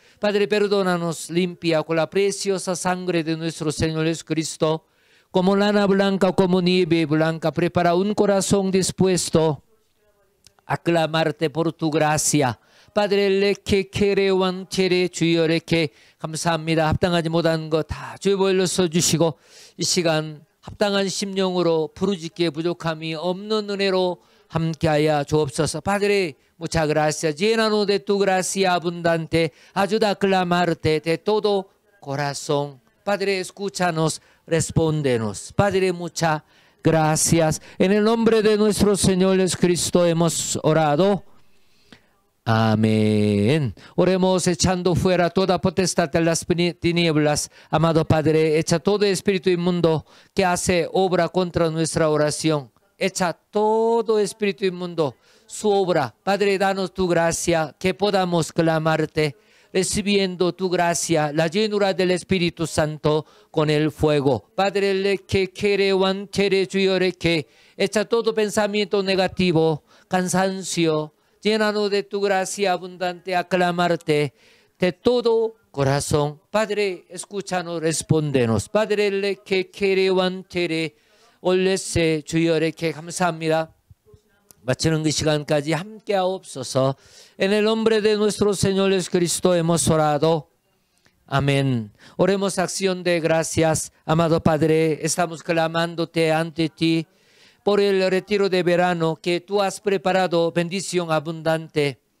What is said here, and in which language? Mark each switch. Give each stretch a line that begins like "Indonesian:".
Spanish: Padre, perdónanos, limpia con la preciosa sangre de nuestro Señor Jesucristo. Como lana blanca, como nieve blanca, prepara un corazón dispuesto a clamarte por tu gracia. Padre, le que quiere, wan quiere, 주여, 레 que,
Korean: 감사합니다. 합당하지 못한 거 다 주여 일러서 주시고, 이 시간 합당한 심령으로 부르짖기에 부족함이 없는 은혜로 함께하여 주옵소서.
Spanish: Padre, muchas gracias. Llénanos de tu gracia abundante. Ayuda a clamarte de todo corazón. Padre, escúchanos, respóndenos. Padre, muchas gracias. En el nombre de nuestro Señor Jesucristo hemos orado. Amén. Oremos echando fuera toda potestad de las tinieblas. Amado Padre, echa todo espíritu inmundo que hace obra contra nuestra oración. Echa todo espíritu inmundo su obra. Padre, danos tu gracia que podamos clamarte, recibiendo tu gracia, la llenura del Espíritu Santo con el fuego. Padre, le que quiere, wan quiere, juyore que, echa todo pensamiento negativo, cansancio, llénanos de tu gracia abundante a clamarte de todo corazón. Padre, escúchanos, respóndenos. Padre, le que quiere, wan quiere, olese, juyore que,
Korean: 감사합니다. 마치는 그 시간까지 함께 하옵소서.
Spanish: En el nombre de nuestro Señor Jesucristo hemos orado. Amén. Oremos acción de gracias. Amado Padre, estamos clamándote ante ti por el retiro de verano que tú has preparado, bendición abundante.